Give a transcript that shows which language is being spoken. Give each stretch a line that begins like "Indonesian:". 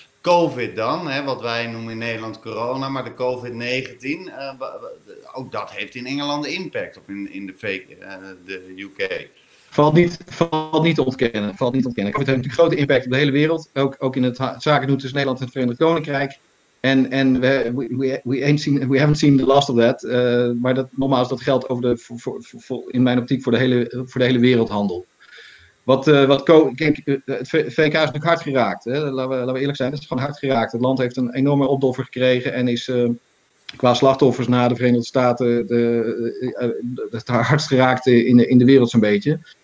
Dutch: COVID dan, hè? Wat wij noemen in Nederland corona, maar de COVID-19. Ook dat heeft in Engeland impact, of in de UK. Valt niet te ontkennen. COVID heeft natuurlijk grote impact op de hele wereld. Ook in het zaken doen tussen Nederland en het Verenigd Koninkrijk.
English: En we haven't seen the last of that.
Dutch: Maar dat, nogmaals, dat geldt over de, in mijn optiek voor de hele wereldhandel. Het VK is natuurlijk hard geraakt. Hè? Laten we eerlijk zijn, het is gewoon hard geraakt. Het land heeft een enorme opdoffer gekregen en is qua slachtoffers na de Verenigde Staten het hardst geraakte in de wereld zo'n beetje.